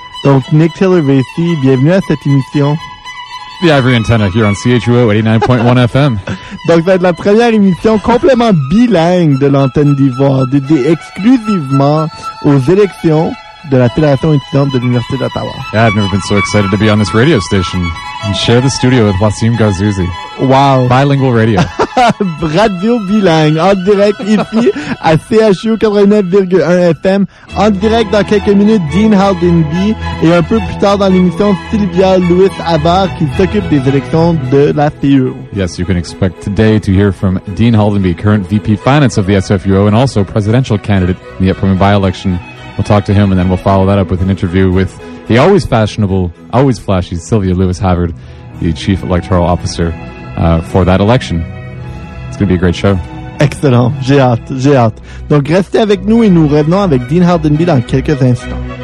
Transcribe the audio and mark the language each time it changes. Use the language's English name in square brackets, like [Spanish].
[French] Donc Nick Taylor-Vacy, bienvenue à cette émission. [English] The Ivory Antenna here on CHUO 89.1 FM. [French] Donc ça va être la première émission complètement bilingue de l'Antenne d'Ivoire, dédiée exclusivement aux élections de la Fédération étudiante de l'Université d'Ottawa. [English] Yeah, I've never been so excited to be on this radio station and share the studio with Wassim Garzouzi. Wow. Bilingual radio. [French] Radio bilingue, en direct ici à CHU 89.1 FM, en direct dans quelques minutes, Dean Haldenby, et un peu plus tard dans l'émission, Sylvia Lewis-Abar, qui s'occupe des élections de la FIU. [English] Yes, you can expect today to hear from Dean Haldenby, current VP Finance of the SFUO, and also presidential candidate in the upcoming by-election. We'll talk to him, and then we'll follow that up with an interview with the always fashionable, always flashy Sylvia Lewis-Havard, the chief electoral officer for that election. It's going to be a great show. [French] Excellent. J'ai hâte. J'ai hâte. Donc, restez avec nous et nous revenons avec Dean Haldenby dans quelques instants.